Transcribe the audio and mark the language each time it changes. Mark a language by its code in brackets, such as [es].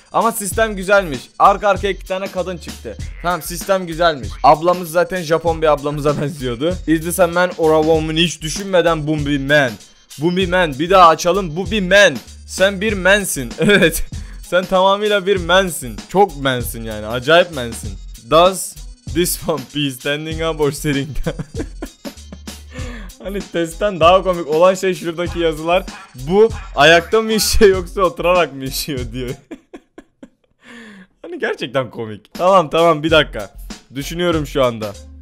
[tr] Ama sistem güzelmiş. Arka arkaya iki tane kadın çıktı. Tamam, sistem güzelmiş. Ablamız zaten Japon bir ablamıza benziyordu. [en] Is this a man or a woman? [tr] Hiç düşünmeden bum bir man. Bum bir man. Bir daha açalım. Bu bir man. Sen bir mansin. Evet. Sen tamamıyla bir mensin. Çok mensin yani. Acayip mensin. [en] Does this one be standing up or sitting down? [tr] Hani testten daha komik olan şey şuradaki yazılar. Bu ayakta mı işiyor yoksa oturarak mı işiyor diyor. Hani gerçekten komik. Tamam bir dakika. Düşünüyorum şu anda.